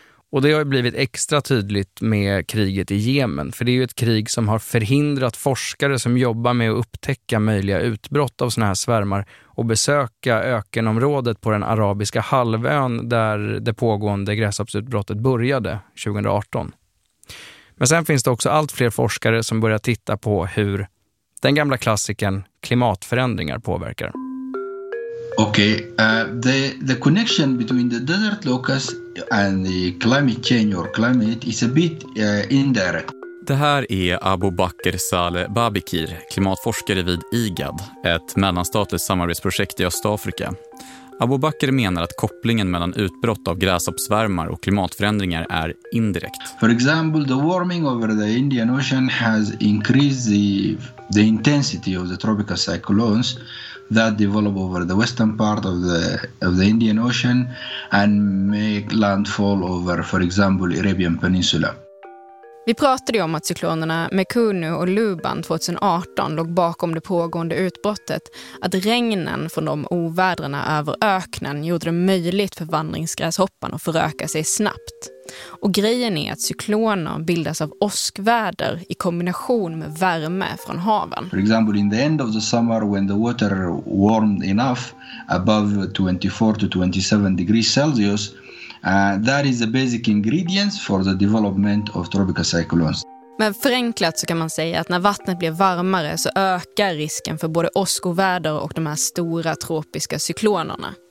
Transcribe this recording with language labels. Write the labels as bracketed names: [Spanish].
[Swedish] Och det har ju blivit extra tydligt med kriget i Jemen, för det är ju ett krig som har förhindrat forskare som jobbar med att upptäcka möjliga utbrott av såna här svärmar och besöka ökenområdet på den arabiska halvön där det pågående gräshoppsutbrottet började 2018. Men sen finns det också allt fler forskare som börjar titta på hur den gamla klassiken klimatförändringar påverkar. [English] Okay, the connection between the desert locust and the climate change or climate is a bit indirect. [Swedish] Det här är Aboubakr Saleh Babikir, klimatforskare vid IGAD, ett mellanstatligt samarbetsprojekt i Östafrika. Aboubakr menar att kopplingen mellan utbrott av gräshoppsvärmar och klimatförändringar är indirekt. [English] For example, the warming over the Indian Ocean has increased the intensity of the tropical cyclones that develop over the western part of the Indian Ocean and make landfall over, for example, Arabian Peninsula. [Swedish] Vi pratade ju om att cyklonerna Mekunu och Luban 2018 låg bakom det pågående utbrottet. Att regnen från de ovädrarna över öknen gjorde det möjligt för vandringsgräshoppan att föröka sig snabbt. Och grejen är att cykloner bildas av åskväder i kombination med värme från haven. [English] For example, in the end of the summer when the water warmed enough above 24 to 27 degrees Celsius, that is the basic ingredients for the development of tropical cyclones. [Swedish] Men förenklat så kan man säga att när vattnet blir varmare så ökar risken för både åskoväder och de här stora tropiska cyklonerna.